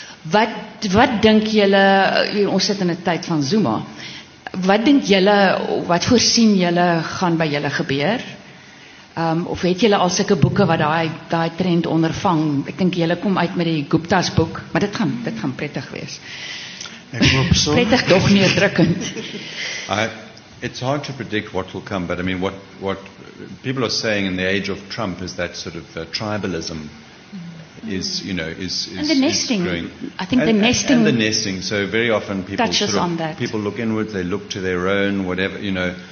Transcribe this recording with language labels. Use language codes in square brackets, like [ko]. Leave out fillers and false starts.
[af] Wat dink julle, ons sit in 'n tyd van Zuma, wat dink julle, wat voorsien julle gaan by julle gebeur? Of het julle al sulke boeke wat daai trend ondervang? Ek dink julle kom uit met die Gupta's boek, maar dit gaan prettig wees. Ek hoop so. Prettig, toch neerdrukkend. [en] It's hard to predict what will come, but I mean, what people are saying in the age of Trump is that sort of tribalism is, you know, is and the nesting. I think the nesting. And the nesting. So very often people people look inward, they look to their own, whatever, you know.